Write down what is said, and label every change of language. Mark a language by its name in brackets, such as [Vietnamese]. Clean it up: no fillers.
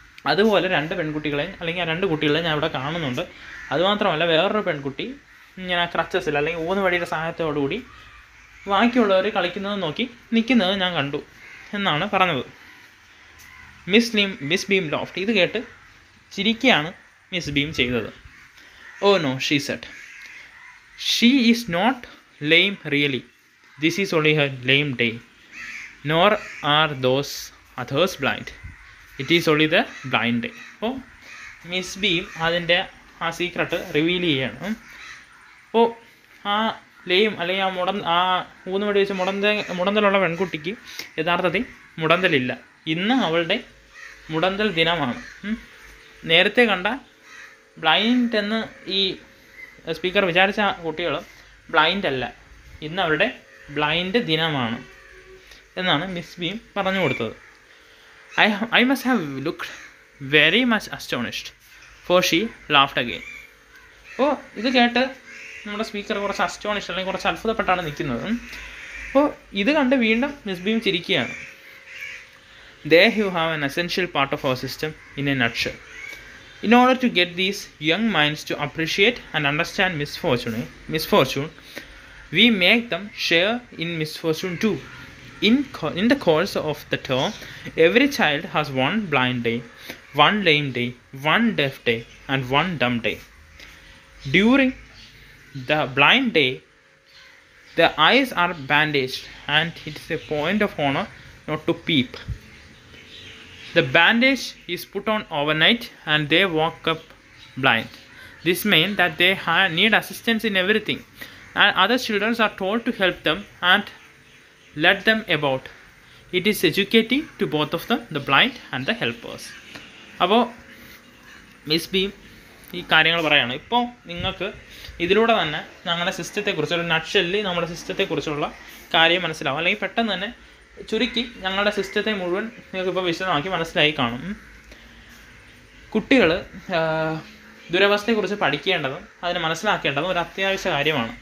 [Malayalam] അതുപോലെ രണ്ട് പെൺകുട്ടികളെയും അല്ലെങ്കിൽ ആ രണ്ട് കുട്ടികളെയും ഞാൻ ഇവിടെ കാണുന്നുണ്ട്. അതുമാത്രമല്ല, വേറൊരു പെൺകുട്ടി ഇങ്ങനെ ക്രച്ചസിൽ അല്ലെങ്കിൽ ഊന്ന് വഴിയുടെ സഹായത്തോടുകൂടി ബാക്കിയുള്ളവർ കളിക്കുന്നത് നോക്കി നിൽക്കുന്നത് ഞാൻ കണ്ടു എന്നാണ് പറഞ്ഞത്. മിസ് ബീം ലോഫ്റ്റ് ഇത് കേട്ട് ചിരിക്കുകയാണ് മിസ് ബീം ചെയ്തത്. [English] Oh no, she said, she is not lame really, this is only her lame day. Nor are those others blind. It is only the blind day. [Malayalam] അപ്പോൾ മിസ് ബീം അതിൻ്റെ ആ secret reveal ചെയ്യണം. അപ്പോൾ ആ ലെയും അല്ലെങ്കിൽ ആ മുടന്ത ആ ഊന്ന് വഴി വെച്ച് മുടന്തലുള്ള പെൺകുട്ടിക്ക് യഥാർത്ഥത്തിൽ മുടന്തലില്ല. ഇന്ന് അവളുടെ മുടന്തൽ ദിനമാണ്. നേരത്തെ കണ്ട ബ്ലൈൻഡ് എന്ന് ഈ സ്പീക്കർ വിചാരിച്ച കുട്ടികൾ ബ്ലൈൻഡ് അല്ല, ഇന്ന് അവളുടെ ബ്ലൈൻഡ് ദിനമാണ് എന്നാണ് മിസ് ബീം പറഞ്ഞു കൊടുത്തത്. [English] I must have looked very much astonished for she laughed again. [Malayalam] അപ്പോൾ ഇത് കേട്ട് നമ്മുടെ സ്പീക്കർ കുറച്ച് അസ്റ്റോണിഷ്ഡ് അല്ലെങ്കിൽ കുറച്ച് അത്ഭുതപ്പെട്ടാണ് നിൽക്കുന്നത്. അപ്പോൾ ഇത് കണ്ട് വീണ്ടും miss beam ചിരിക്കുകയാണ്. [English] Then you have an essential part of our system in a nutshell. In order to get these young minds to appreciate and understand misfortune we make them share in misfortune too. In the course of the term, every child has one blind day, one lame day, one deaf day, and one dumb day. During the blind day, the eyes are bandaged, and it is a point of honor not to peep. The bandage is put on overnight, and they walk up blind. This means that they need assistance in everything, and other children are told to help them and let them about. It is educating to both of them, the blind and the helpers. [Malayalam] അപ്പോൾ miss beam ഈ കാര്യങ്ങൾ പറയുകയാണ്. ഇപ്പോൾ നിങ്ങൾക്ക് ഇതിലൂടെ തന്നെ ഞങ്ങളുടെ സിസ്റ്റത്തെക്കുറിച്ചുള്ള നട്ട്ഷെല്ലിൽ നമ്മുടെ സിസ്റ്റത്തെക്കുറിച്ചുള്ള കാര്യം മനസ്സിലാവും, അല്ലെങ്കിൽ പെട്ടെന്ന് തന്നെ ചുരുക്കി ഞങ്ങളുടെ സിസ്റ്റത്തെ മുഴുവൻ നിങ്ങൾക്കിപ്പോൾ വിശദമാക്കി മനസ്സിലായി കാണും. കുട്ടികൾ ദുരവസ്ഥയെക്കുറിച്ച് പഠിക്കേണ്ടതും അതിന് മനസ്സിലാക്കേണ്ടതും ഒരു അത്യാവശ്യ കാര്യമാണ്.